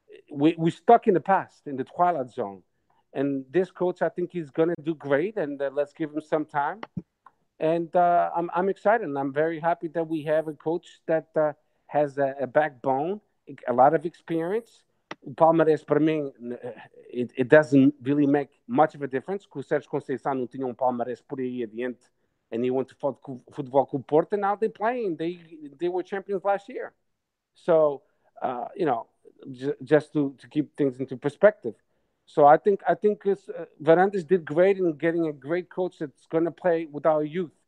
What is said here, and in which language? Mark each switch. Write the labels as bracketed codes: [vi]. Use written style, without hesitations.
[en] We're stuck in the past, in the twilight zone. And this coach, I think he's going to do great. And let's give him some time. And I'm excited. And I'm very happy that we have a coach that has a backbone, a lot of experience. [pt] O Palmeiras, para mim, [en] it doesn't really make much of a difference. [pt] Que o Sérgio Conceição não tinha Palmeiras por aí adiante. [en] And he went to football [pt] com o Porto. [en] And now they're playing. They were champions last year. So, you know, just to keep things into perspective. So I think Verandes did great in getting a great coach that's going to play with our youth.